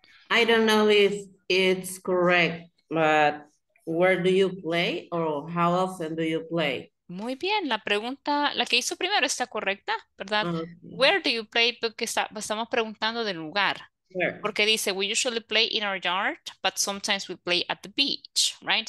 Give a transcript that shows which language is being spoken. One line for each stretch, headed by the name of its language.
English: I don't know if it's correct, but where do you play or how often do you play?
Spanish: Muy bien, la pregunta, la que hizo primero está correcta, ¿verdad? Uh-huh.
English: Where do you play?
Spanish: Porque estamos preguntando del lugar.
English: Where?
Spanish: Porque dice,
English: we usually play in our yard, but sometimes we play at the beach, right?